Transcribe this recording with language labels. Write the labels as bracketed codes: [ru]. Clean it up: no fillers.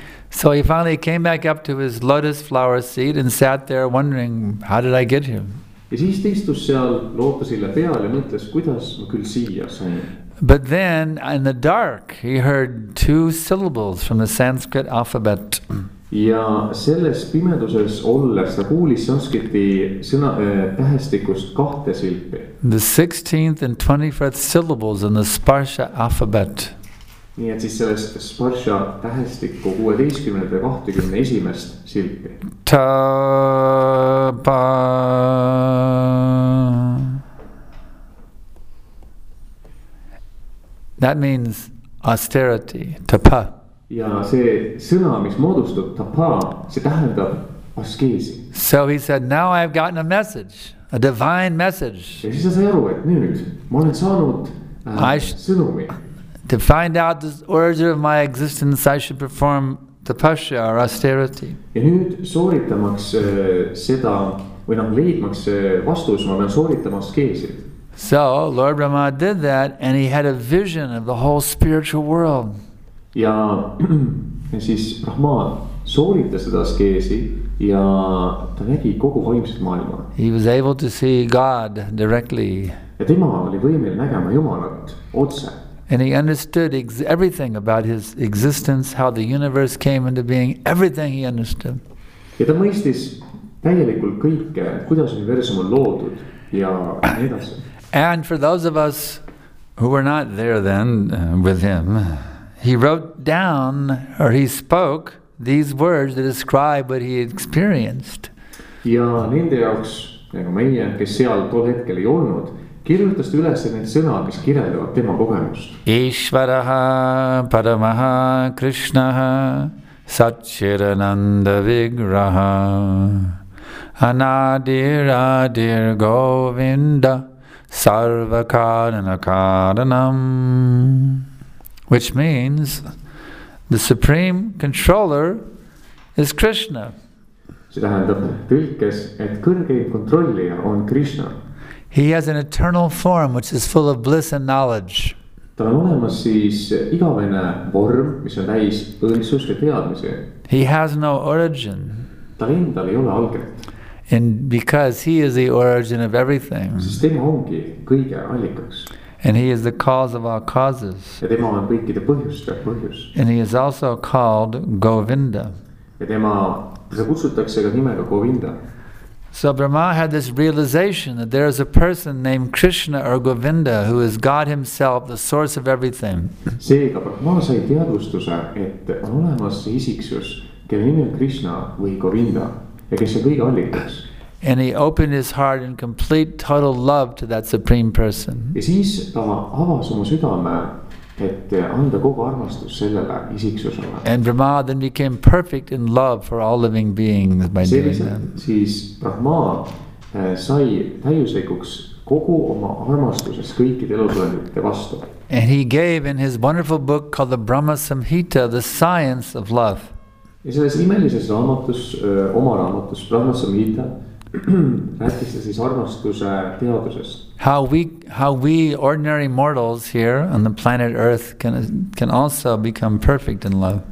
[en] So he finally came back up to his lotus flower seat and sat there wondering, how did I get here? [et] Ja siis teistus seal lootusille peal ja mõtles, kuidas ma küll siia sain. [en] But then, in the dark, he heard two syllables from the Sanskrit alphabet. [et] Ja selles pimeduses olles ta kuulis sanskriti sõna tähestikust kahte silpi. [en] The 16th and 24th syllables in the Sparsha alphabet. [et] Nii et siis selles Sparsha tähestiku 16. ja 21. silpi. [en] Ta pa That means austerity, tapa. [et] Ja see sõna, mis moodustub tapa, see tähendab askeesi. [en] So he said, now I've gotten a message, a divine message. [et] Ja siis ta sai aru, et nüüd ma olen saanud sõnumi. [en] To find out the origin of my existence, I should perform tapasya or austerity. [et] Ja nüüd sooritamaks seda, või nagu leidmaks vastus, ma olen sooritamas keesid. [en] So Lord Brahma did that and he had a vision of the whole spiritual world. [et] Ja siis Brahma sooritas seda askeesi ja ta nägi kogu vaimset maailma. [en] He was able to see God directly. [et] Ja tema oli võimel nägema Jumalat otse. [en] And he understood everything about his existence, how the universe came into being, everything he understood. [et] Ja ta mõistis täielikult kõike, kuidas universum on loodud ja nii edasi. [en] And for those of us who were not there then with him, he wrote down, or he spoke, these words to describe what he experienced. [et] Ja nende jaoks, nagu meie, kes seal tol hetkel ei olnud, kirjutas üles need sõna, mis kirjeldavad tema kogemust. [sa] Ishvaraha paramaha krishnaha satchirananda vigraha anadir adir govinda Sarva karana karanam, [en] which means the supreme controller is Krishna. [et] See tähendab tõlkes, et kõrgeim kontrollija on Krishna. [en] He has an eternal form which is full of bliss and knowledge. [et] Ta on olemas siis igavene vorm, mis on täis õnnistuse teadmise. [en] He has no origin. [et] Ta endal ei ole alget. [en] And because he is the origin of everything. [et] Sest tema ongi kõige allikaks. [en] And he is the cause of all causes. [et] Ja tema on kõikide põhjuste põhjus. [en] And he is also called Govinda. [et] Ja tema, see kutsutakse ka nimega Govinda. [en] So Brahma had this realization that there is a person named Krishna or Govinda who is God himself, the source of everything. [et] Seega Brahma sai teadvustuse, et on olemas isiksus, kelle nimi on Krishna või Govinda. [en] And he opened his heart in complete, total love to that Supreme Person. [et] Ja siis ta avas oma südame, et anda kogu armastus sellele isiksusele. [en] And Brahma then became perfect in love for all living beings by doing that. [et] Siis Brahma sai täiuslikuks kogu oma armastuses kõikide elusolendite vastu. [en] And he gave in his wonderful book called the Brahma Samhita, the science of love. [et] Ja selles imelises raamatus, oma raamatus, Brahma Samhita, rääkis ta siis armastuse teadusest. [en] How we ordinary mortals here on the planet Earth can also become perfect in love.